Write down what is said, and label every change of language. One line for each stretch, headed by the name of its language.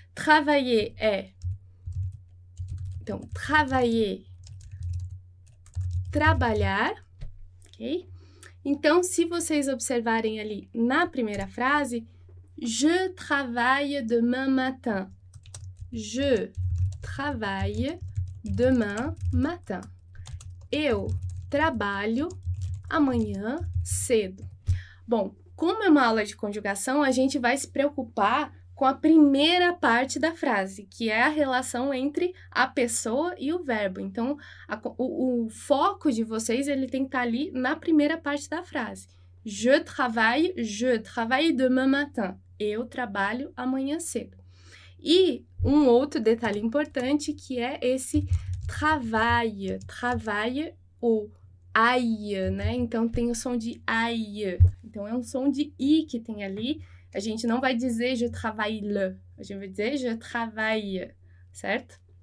Portuguese: Travailler é... Então, travailler, trabalhar, ok? Então, se vocês observarem ali na primeira frase,
French: je travaille demain matin. Je travaille demain matin.
Portuguese: Eu trabalho amanhã cedo. Bom, como é uma aula de conjugação, a gente vai se preocupar com a primeira parte da frase, que é a relação entre a pessoa e o verbo. Então, o foco de vocês, ele tem que estar ali na primeira parte da frase.
French: Je travaille demain matin.
Portuguese: Eu trabalho amanhã cedo. E um outro detalhe importante que é esse travail, travail ou aia, né? Então tem o som de aia. Então é um som de i que tem ali. A gente não vai dizer je travaille, a gente vai dizer je travaille, certo?